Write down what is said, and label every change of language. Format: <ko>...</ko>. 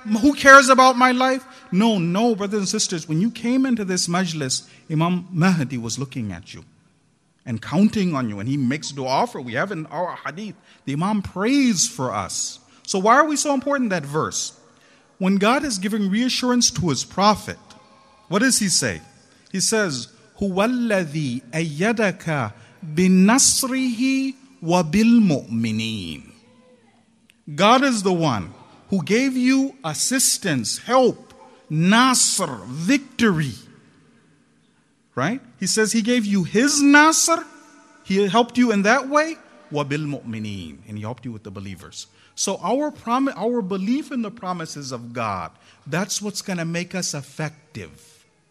<en>Who cares about my life? No, brothers and sisters. When you came into this majlis, Imam Mahdi was looking at you and counting on you. And he makes dua for you. We have in our hadith, the Imam prays for us. So why are we so important, that verse? When God is giving reassurance to his prophet, what does he say? He says,</en> <ar>هو الذي أيدك بنصره وبالمؤمنين.</ar> <en>God is the one who gave you assistance, help, nasr, victory. Right? He says he gave you his nasr. He helped you in that way.</en> <ar>وبالمؤمنين.</ar> <en>And he helped you with the believers. So our belief in the promises of God, that's what's going to make us effective.</en>